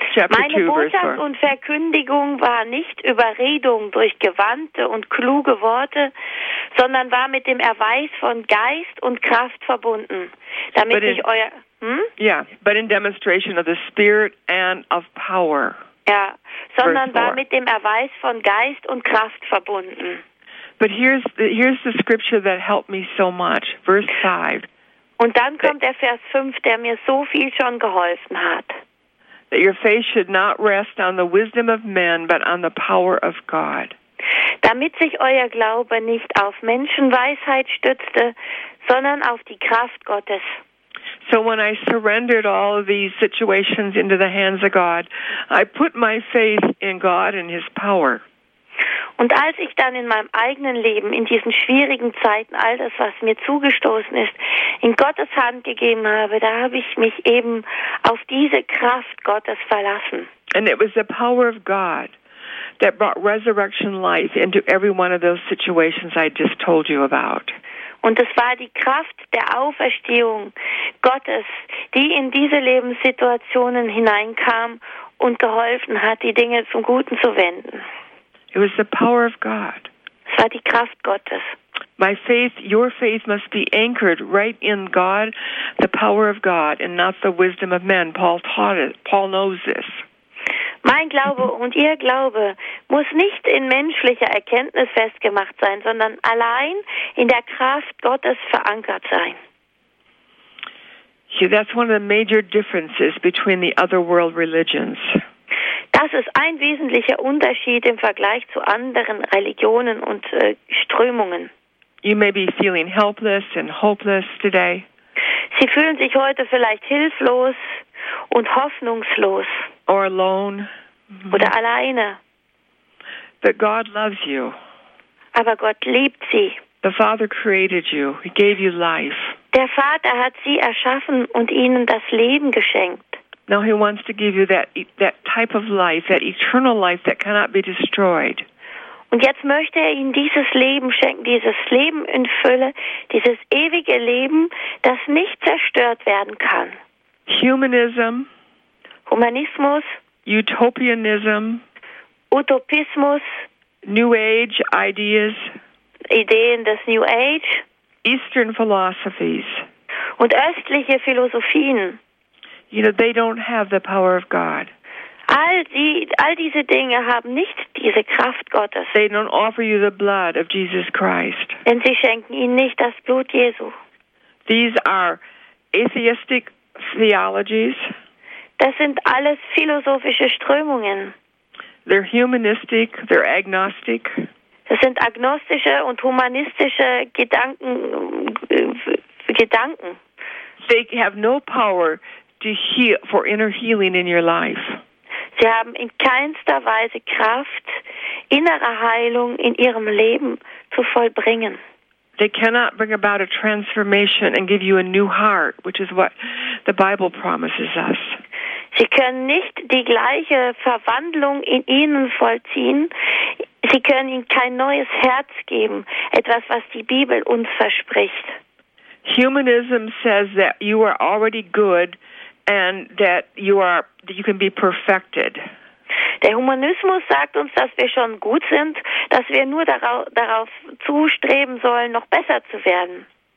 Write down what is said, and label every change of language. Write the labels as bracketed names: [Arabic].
[German] Meine Botschaft und Verkündigung war nicht Überredung durch gewandte und kluge Worte, sondern war mit dem Erweis von Geist und Kraft verbunden, damit ich euer [English] But in demonstration of the Spirit and of power. [German] Ja, sondern war mit dem Erweis von Geist und Kraft verbunden. [English] But here's the scripture that helped me so much, verse 5. [German] Und dann kommt der Vers 5, der mir so viel schon geholfen hat. [English] That your faith should not rest on the wisdom of men, but on the power of God. [German] Damit sich euer Glaube nicht auf Menschenweisheit stützte, sondern auf die Kraft Gottes. [English] So when I surrendered all of these situations into the hands of God, I put my faith in God and his power. [German] Und als ich dann in meinem eigenen Leben, in diesen schwierigen Zeiten, all das, was mir zugestoßen ist, in Gottes Hand gegeben habe, da habe ich mich eben auf diese Kraft Gottes verlassen. [English] And it was the power of God that brought resurrection life into every one of those situations I just told you about. [German] Und es war die Kraft der Auferstehung Gottes, die in diese Lebenssituationen hineinkam und geholfen hat, die Dinge zum Guten zu wenden. [English] It was the power of God. [German] Es war die Kraft Gottes. [English] My faith, your faith must be anchored right in God, the power of God, and not the wisdom of men. Paul taught it. Paul knows this. [German] Mein Glaube und ihr Glaube muss nicht in menschlicher Erkenntnis festgemacht sein, sondern allein in der Kraft Gottes verankert sein. [English] See, that's one of the major differences between the other world religions. [German] Das ist ein wesentlicher Unterschied im Vergleich zu anderen Religionen und Strömungen. [English] You may be feeling helpless and hopeless today. [German] Sie fühlen sich heute vielleicht hilflos und hoffnungslos. [English] Or alone. [German] Oder alleine. [English] But God loves you. [German] Aber Gott liebt sie. [English] The Father created you. He gave you life. [German] Der Vater hat sie erschaffen und ihnen das Leben geschenkt. [English] Now he wants to give you that type of life, that eternal life that cannot be destroyed. [German] Und jetzt möchte er ihnen dieses Leben schenken, dieses Leben in Fülle, dieses ewige Leben, das nicht zerstört werden kann. [English] Humanism, [German] Humanismus, [English] Utopianism, [German] Utopismus, [English] New Age ideas, [German] Ideen des New Age, [English] Eastern philosophies, [German] und östliche Philosophien. [English] You know, they don't have the power of God. [German] All diese Dinge haben nicht diese Kraft Gottes. [English] They don't offer you the blood of Jesus Christ. [German] Denn sie schenken ihnen nicht das Blut Jesu. [English] These are atheistic theologies. [German] Das sind alles philosophische Strömungen. [English] They're humanistic, they're agnostic. [German] Das sind agnostische und humanistische Gedanken. [English] They have no power to heal, for inner healing in your life. [German] Sie haben in keinster Weise Kraft, innere Heilung in ihrem Leben zu vollbringen. [English] They cannot bring about a transformation and give you a new heart, which is what the Bible promises us. [German] Sie können nicht die gleiche Verwandlung in ihnen vollziehen. Sie können ihnen kein neues Herz geben, etwas, was die Bibel uns verspricht. [English] Humanism says that you are already good and that you can be perfected. [German] Der Humanismus sagt uns, dass wir schon gut sind, dass wir nur darauf zustreben sollen, noch besser zu werden.